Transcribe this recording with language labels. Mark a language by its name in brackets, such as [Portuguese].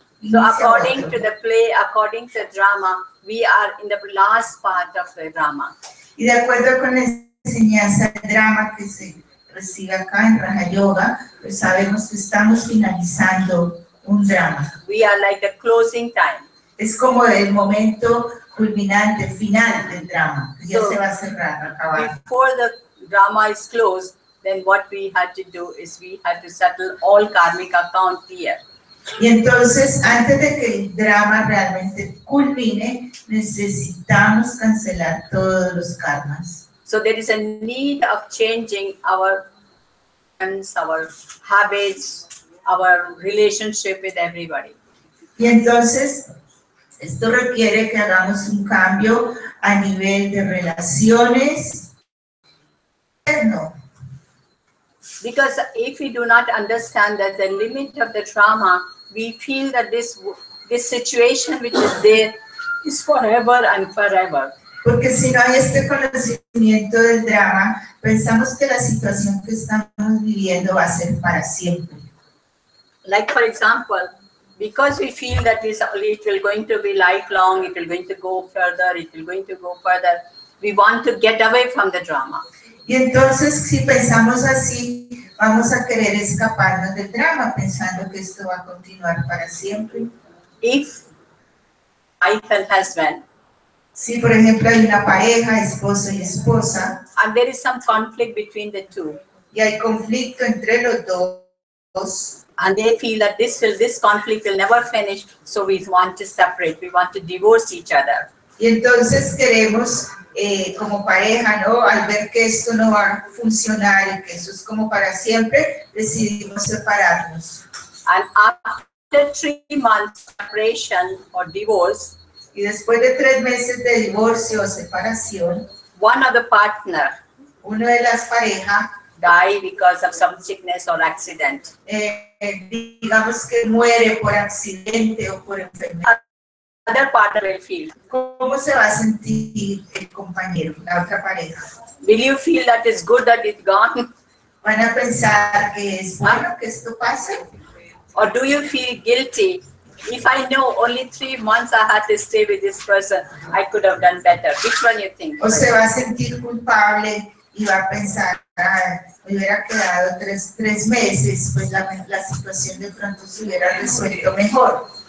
[English] So according to the play, according to the drama, we are in the last part of the drama. [Spanish] Y de acuerdo con la enseñanza del drama que se recibe acá en Raja Yoga, pues sabemos que estamos finalizando un drama. [English] We are like the closing time. [Spanish] Es como el momento culminante, final del drama. Ya se va a cerrar, acabar. [English] Before the drama is closed, then what we had to do is we had to settle all karmic account here. [Spanish] Y entonces, antes de que el drama realmente culmine, necesitamos cancelar todos los karmas. [English] So there is a need of changing our friends, our habits, our relationship with everybody. [Spanish] Y entonces, esto requiere que hagamos un cambio a nivel de relaciones. [English] Because if we do not understand that the limit of the trauma, we feel that this situation which is there is forever and forever. [Spanish] Porque si no hay este conocimiento del drama, pensamos que la situación que estamos viviendo va a ser para siempre. [English] Like for example, because we feel that this it will going to be lifelong, it will going to go further, it will going to go further, we want to get away from the drama. [Spanish] Y entonces, si pensamos así, vamos a querer escaparnos del drama, pensando que esto va a continuar para siempre. [English] If wife and husband. [Spanish] Si, por ejemplo, hay una pareja, esposo y esposa. [English] And there is some conflict between the two. [Spanish] Y hay conflicto entre los dos. [English] And they feel that this conflict will never finish, so we want to separate, we want to divorce each other. [Spanish] Y entonces queremos... como pareja, ¿no? Al ver que esto no va a funcionar y que eso es como para siempre, decidimos separarnos. [English] And after 3 months separation or divorce, [Spanish] y después de 3 meses de divorcio o separación, [English] one of the partner, [Spanish] uno de las parejas, [English] die because of some sickness or accident. [Spanish] Digamos que muere por accidente o por enfermedad. [English] Other partner will feel. [Spanish] ¿Cómo se va a sentir el compañero, la otra pareja? [English] Will you feel that it's good that it's gone? [Spanish] ¿Van a pensar que es bueno que esto pase? [English] Or do you feel guilty? If I know only 3 months I had to stay with this person, I could have done better. Which one you think? [Spanish] ¿O se va a sentir culpable y va a pensar, ah, me hubiera quedado tres meses, pues la situación de pronto se hubiera resuelto mejor?